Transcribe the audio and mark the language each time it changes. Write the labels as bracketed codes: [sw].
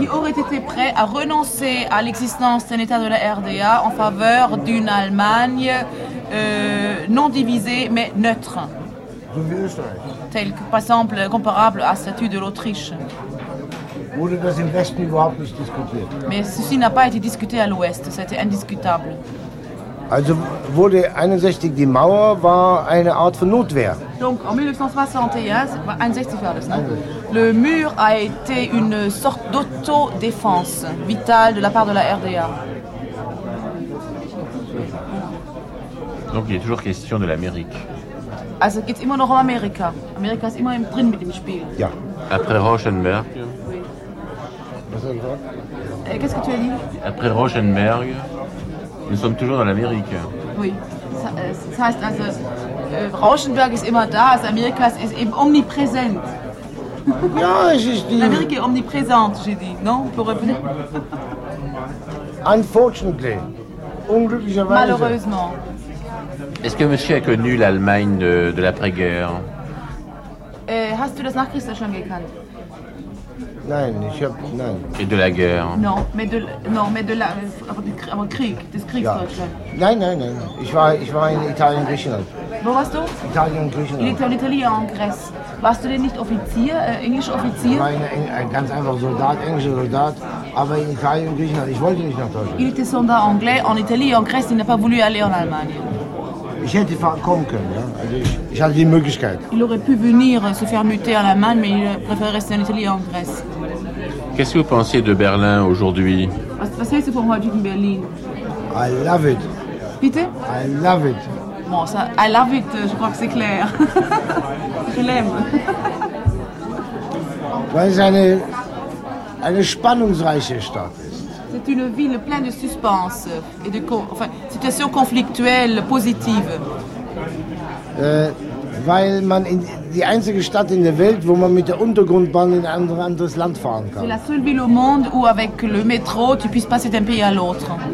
[fr] Qui aurait été prêt à renoncer à l'existence d'un État de la RDA en faveur d'une Allemagne non divisée mais neutre. Tel que, par exemple, comparable à statut de l'Autriche. [de] Wurde das im Westen überhaupt nicht diskutiert. [fr] Mais ceci n'a pas été discuté à l'Ouest, c'était indiscutable. [de] Also wurde 61 die Mauer war eine Art von Notwehr. [fr] Donc en 1961 [de] war das, [fr] le mur a été une sorte d'autodéfense vitale de la part de la RDA. Donc il est toujours question de l'Amérique. [de] Also geht's immer noch um Amerika. Amerika ist immer im drin mit dem Spiel. Ja. [fr] Après Rauschenberg. Oui. Qu'est-ce que tu as dit? Après Rauschenberg. Nous sommes toujours dans l'Amérique. Oui. [de] Ça heißt also, Rauschenberg ist immer da, also Amerika ist eben omniprésent. Ja, ich dis. [fr] L'Amérique est omniprésente, j'ai dit. Non, on peut revenir. [en] Unfortunately. [de] Unglücklicherweise. [fr] Malheureusement. Est-ce que monsieur a connu l'Allemagne de l'après-guerre? [de] Hast du das Nachkriegsdeutsch schon gekannt? Nein, ich habe nein. [fr] Et de la guerre. Non, mais de la, [de] aber Krieg, des Kriegsdeutschland. Ja. Nein. Ich war in Italien, Griechenland. Wo warst du? Italien, Griechenland. [fr] Italien, in Grèce. [de] Warst du denn nicht Offizier, englischer Offizier? Nein, ein ganz einfach Soldat, englischer Soldat. Aber in Italien, Griechenland. Ich wollte nicht nach Deutschland. [fr] Il était soldat anglais en Italie, en Grèce. Il n'a pas voulu aller en Allemagne. [de] Ich hätte kommen können, ja. Also ich hatte die Möglichkeit. [fr] Il aurait pu venir se faire muter en Allemagne, mais il préfère rester en Italie et en Grèce. Qu'est-ce que vous pensez de Berlin aujourd'hui? [de] Was hältst du von heutigen Berlin? [en] I love it. [de] Bitte? [en] I love it. [fr] Bon, ça, [en] I love it, [fr] je crois que c'est clair. Je l'aime. [de] Weil es eine spannungsreiche Stadt ist. [fr] C'est une ville pleine de suspense et de situations conflictuelles positives. [de] Weil man in die einzige Stadt in der Welt, wo man mit der Untergrundbahn in ein anderes Land fahren kann. [fr] C'est la seule ville au monde où avec le métro tu puisses passer d'un pays à l'autre.